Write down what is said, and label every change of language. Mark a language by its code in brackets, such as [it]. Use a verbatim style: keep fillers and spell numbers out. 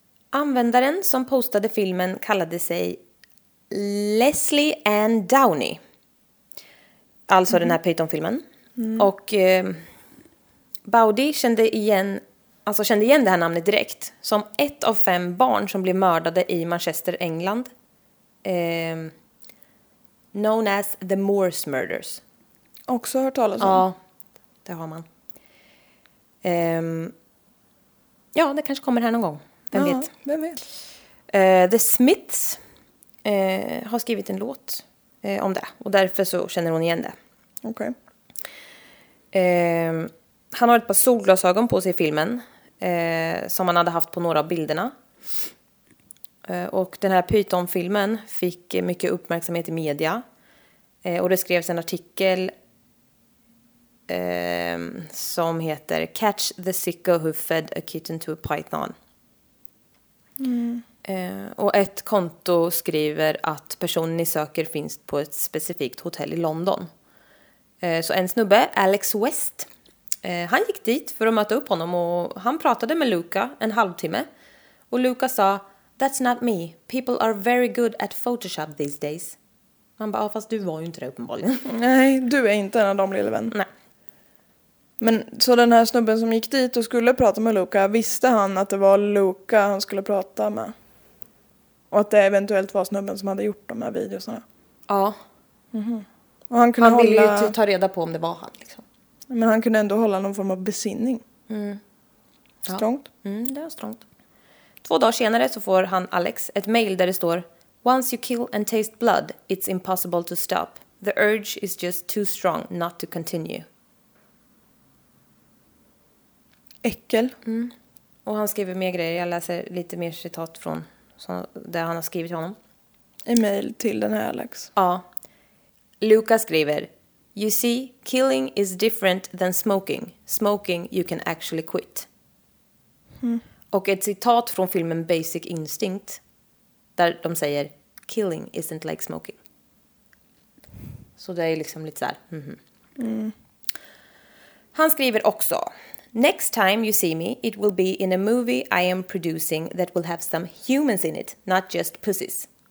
[sv] Användaren som postade filmen kallade sig Leslie Ann Downey. Alltså den här pytonfilmen. Och eh, Bowdy kände igen, alltså kände igen det här namnet direkt. Som ett av fem barn som blev mördade i Manchester, England. [en] Eh, known as the Moors Murders. [sv] Också hört talas om. Ja, det har man. Ehm, ja, det kanske kommer här någon gång. Vem Ja, vet. vem vet. Eh, The Smiths eh, har skrivit en låt eh, om det. Och därför så känner hon igen det. Okej. Ehm, han har ett par solglasögon på sig i filmen. Eh, som han hade haft på några av bilderna. Eh, och den här Python-filmen fick eh, mycket uppmärksamhet i media. Eh, och det skrevs en artikel ehm, som heter [en] Catch the sicko who fed a kitten to a python. [sv] Eh, och ett konto skriver att personen ni söker finns på ett specifikt hotell i London. Eh, så en snubbe, Alex West, eh, han gick dit för att möta upp honom och han pratade med Luca en halvtimme. Och Luca sa, [en] that's not me, people are very good at Photoshop these days. [sv] Han bara, "Ja, fast du var ju inte det uppenbarligen." Nej, du är inte en av dem, lille vän. Nej. Men så den här snubben som gick dit och skulle prata med Luca, visste han att det var Luca han skulle prata med? Och att det eventuellt var snubben som hade gjort de här videorna. Ja, Och han kunde han ville ju hålla... ta reda på om det var han. Liksom. Men han kunde ändå hålla någon form av besinning. Mm. Ja. Strångt. Mm, det var strångt. Två dagar senare så får han, Alex, ett mejl där det står: [en] Once you kill and taste blood, it's impossible to stop. The urge is just too strong not to continue. [sv] Äckel. Mm. Och han skriver mer grejer. Jag läser lite mer citat från så, där han har skrivit honom. En mejl till den här Alex. Ja. Luca skriver: [en] You see, killing is different than smoking. Smoking you can actually quit. Mm. [sv] Och ett citat från filmen Basic Instinct. Där de säger: [en] Killing isn't like smoking. [sv] Så det är liksom lite så här. Mm-hmm. Mm. Han skriver också: [en] Next time you see me, it will be in a movie I am producing that will have some humans in it, not just pussies.